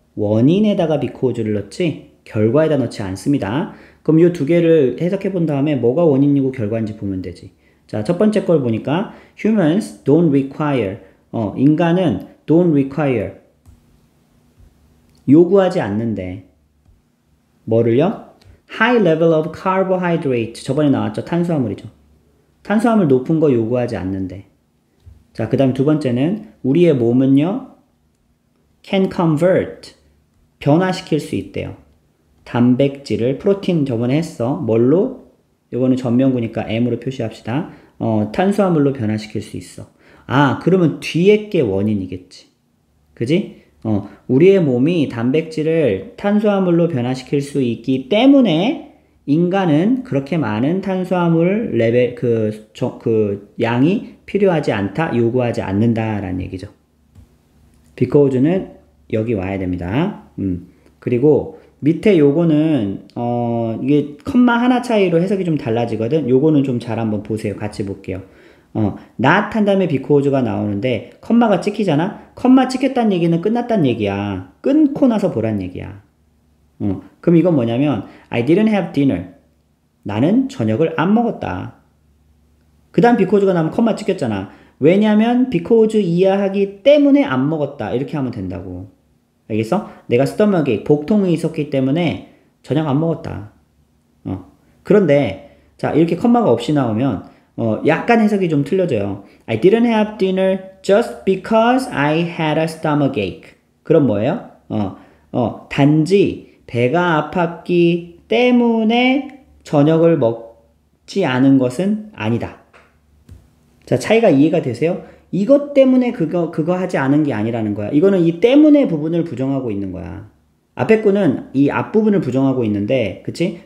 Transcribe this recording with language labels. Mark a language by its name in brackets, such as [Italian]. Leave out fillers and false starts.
[Korean] 원인에다가 because를 넣지? 결과에다 넣지 않습니다. 그럼 요두 개를 해석해 본 다음에 뭐가 원인이고 결과인지 보면 되지. 자, 첫 번째 걸 보니까 [English] humans don't require [Korean] 인간은 [English] don't require [Korean] 요구하지 않는데 뭐를요? [English] high level of carbohydrate [Korean] 저번에 나왔죠? 탄수화물이죠. 탄수화물 높은 거 요구하지 않는데. 자, 그다음 두 번째는 우리의 몸은요 [English] can convert [Korean] 변화시킬 수 있대요. 단백질을 프로틴 저번에 했어. 뭘로? 요거는 전명구니까 M으로 표시합시다. 탄수화물로 변화시킬 수 있어. 아, 그러면 뒤에 게 원인이겠지. 그지? 우리의 몸이 단백질을 탄수화물로 변화시킬 수 있기 때문에 인간은 그렇게 많은 탄수화물 레벨, 그 양이 필요하지 않다, 요구하지 않는다라는 얘기죠. 비커우즈는 여기 와야 됩니다. 그리고 밑에 요거는, 이게 컴마 하나 차이로 해석이 좀 달라지거든. 요거는 좀잘 한번 보세요. 같이 볼게요. not 한 다음에 because가 나오는데, 컴마가 찍히잖아? 컴마 찍혔단 얘기는 끝났단 얘기야. 끊고 나서 보란 얘기야. 그럼 이건 뭐냐면, [English] I didn't have dinner. [Korean] 나는 저녁을 안 먹었다. 그 다음 because가 나오면 컴마 찍혔잖아. 왜냐면, because 이하하기 때문에 안 먹었다. 이렇게 하면 된다고. 알겠어? 내가 스터머기 복통이 있었기 때문에 저녁 안 먹었다. 그런데 자 이렇게 컴마가 없이 나오면 약간 해석이 좀 틀려져요. [English] I didn't have dinner just because I had a stomachache. [Korean] 그럼 뭐예요? 단지 배가 아팠기 때문에 저녁을 먹지 않은 것은 아니다. 자 차이가 이해가 되세요? 이것 때문에 그거 하지 않은 게 아니라는 거야. 이거는 이 때문에 부분을 부정하고 있는 거야. 앞에 거는 이 앞부분을 부정하고 있는데, 그치?